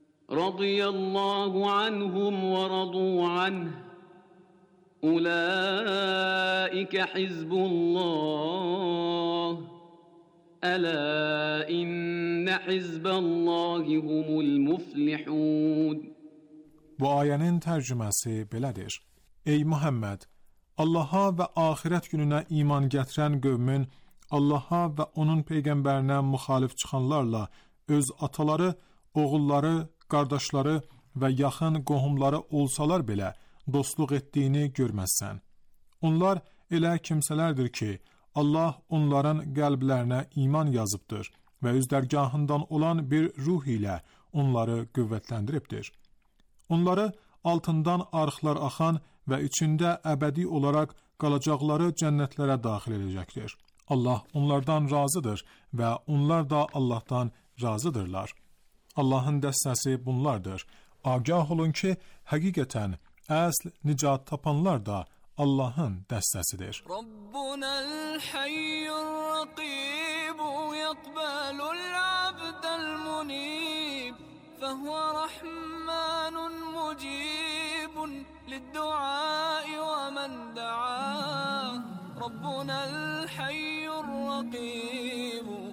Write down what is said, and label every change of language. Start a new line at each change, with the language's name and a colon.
Arabic: رضي الله عنهم ورضوا عنه أولئك حزب الله ألا إن حزب الله هم المفلحون
Azerbaijani: Bu ayənin tərcüməsi belədir. Ey Muhammed, Allaha və axirət gününə iman gətirən qövmün, Allaha və onun peyğəmbərinə müxalif çıxanlarla öz ataları, oğulları, qardaşları və yaxın qohumları olsalar belə dostluq etdiyini görməzsən. Onlar elə kimsələrdir ki, Allah onların qəlblərinə iman yazıbdır və öz dərgahından olan bir ruh ilə onları qüvvətləndiribdir. Onları altından arxlar axan və içində əbədi olaraq qalacaqları cənnətlərə daxil edəcəkdir. Allah onlardan razıdır və onlar da Allahdan razıdırlar. Allahın dəstəsi bunlardır. Agah olun ki, həqiqətən əsl nicat tapanlar da Allahın dəstəsidir.
Arabic: Rabbunəl hayyur raqib yaqbalul abdəl munib فهو رحمن مجيب للدعاء ومن دعاه ربنا الحي الرقيب